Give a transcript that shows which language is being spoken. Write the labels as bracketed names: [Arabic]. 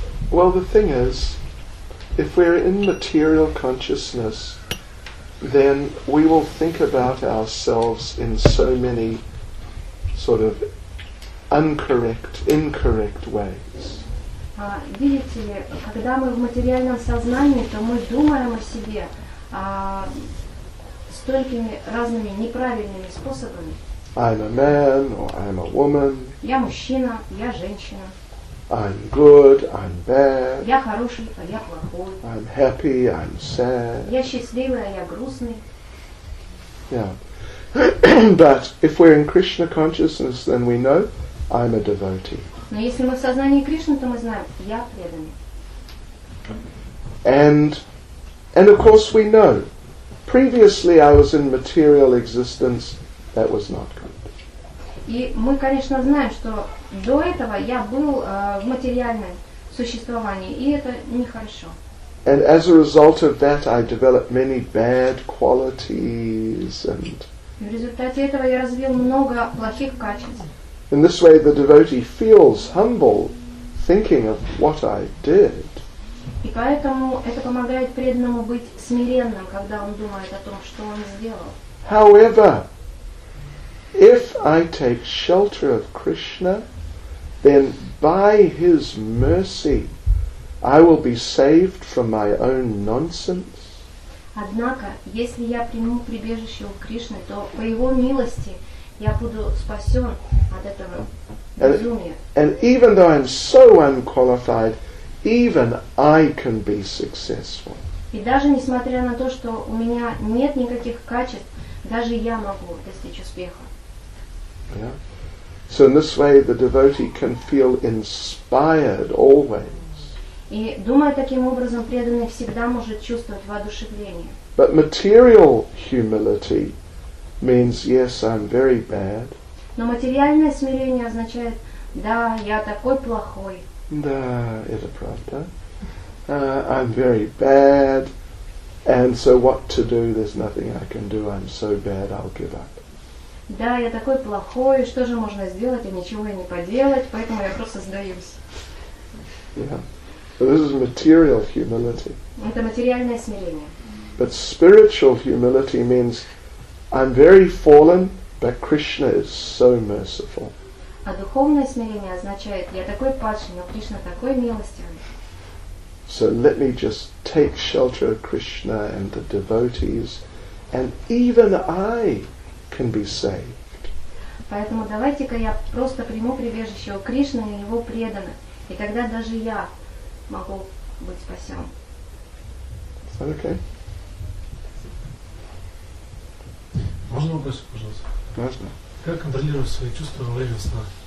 [English] Well, the thing is, if we're in material consciousness, then we will think about ourselves in so many sort of incorrect ways. [Russian] Видите ли, когда мы в материальном сознании, то мы думаем о себе столькими разными неправильными способами. [English] I'm a man, or I'm a woman. [Russian] Я мужчина, я женщина. [English] I'm good, I'm bad. [Russian] Я хороший, а я плохой. [English] I'm happy, I'm sad. [Russian] Я счастливый, а я грустный. [English] Yeah. But if we're in Krishna consciousness, then we know I'm a devotee. [Russian] Но если мы в сознании Кришны, то мы знаем, я преданный. [English] And of course we know. Previously I was in material existence, that was not good. [Russian] И мы, конечно, знаем, что до этого я был в материальном существовании, и это нехорошо. [English] And as a result of that, I developed many bad qualities and... [Russian] В результате этого я развил много плохих качеств. [English] In this way, the devotee feels humble, thinking of what I did. [Russian] И поэтому это помогает преданному быть смиренным, когда он думает о том, что он сделал. [English] However, if I take shelter of Krishna, then by his mercy, I will be saved from my own nonsense. [Russian] Однако, если я приму прибежище у Кришны, то по его милости я буду спасен от этого безумия. [English] And even though I'm so unqualified, even I can be successful. [Russian] И даже несмотря на то, что у меня нет никаких качеств, даже я могу достичь успеха. [English] Yeah. So in this way, the devotee can feel inspired always. [Russian] И думая таким образом, преданный всегда может чувствовать воодушевление. [English] But material humility means, yes, I'm very bad. [Russian] Но материальное смирение означает, да, я такой плохой. Да, это правда. [English] I'm very bad, and so what to do? There's nothing I can do. I'm so bad. I'll give up. [Russian] Да, я такой плохой, что же можно сделать, и ничего я не поделать, поэтому я просто сдаюсь. [English] Yeah. This is material humility. [Russian] Это материальное смирение. [English] But spiritual humility means I'm very fallen, but Krishna is so merciful. [Russian] А духовное смирение означает, я такой падший, но Кришна такой милостивый. [English] So let me just take shelter of Krishna and the devotees, and even I can be saved. [Russian] Поэтому давайте-ка я просто приму прибежище у Кришны и его преданных, и тогда даже я могу быть спасен. [English] Okay. [Russian] Можно вопрос, пожалуйста? Можно. Как контролировать свои чувства во время сна?